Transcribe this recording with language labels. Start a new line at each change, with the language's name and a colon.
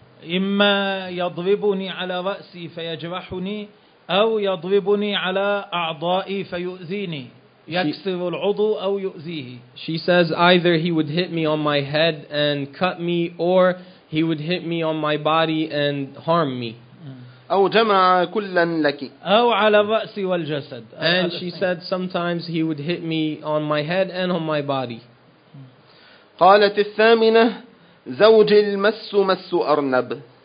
Arabic: إما يضربني على رأسي فيجرحني أو يضربني على أعضائي فيؤذيني. يكسر العضو أو يؤذيه.
English: She says either he would hit me on my head and cut me, or he would hit me on my body and harm me.
Arabic: أو جمع كلا لك. أو على الرأس والجسد.
English: And she said sometimes he would hit me on my head and on my body.
Arabic: قالت الثامنة زوجي المس مس أرنب.